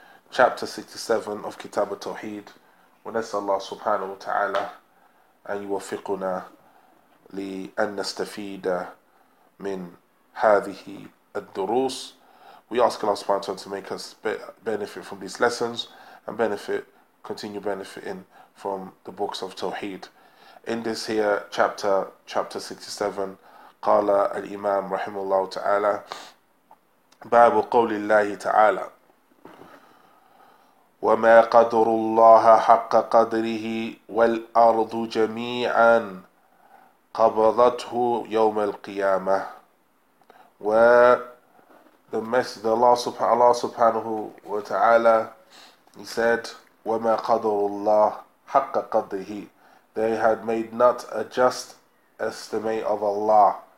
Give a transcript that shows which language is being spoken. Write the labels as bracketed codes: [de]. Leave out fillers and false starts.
[en] Chapter 67 of Kitab At-Tawheed. [ar] وَنَسَى اللَّهُ سُبْحَانَهُ وَتَعَالَى أَنْ يُوَفِقُنَا لِأَنْ نَسْتَفِيدَ مِنْ هَذِهِ الدُّرُوسِ. [en] We ask Allah subhanahu wa ta'ala to make us benefit from these lessons and continue benefiting from the books of Tawheed. In this here chapter 67, [ar] قال الإمام رحمه الله تعالى باب قول الله تعالى وما قدر الله حق قدره والأرض جميعا قبضته يوم القيامة. [en] The message, Allah subhanahu wa ta'ala, he said [ar] وما قدر الله حق قدره, [en] they had made not a just estimate of Allah.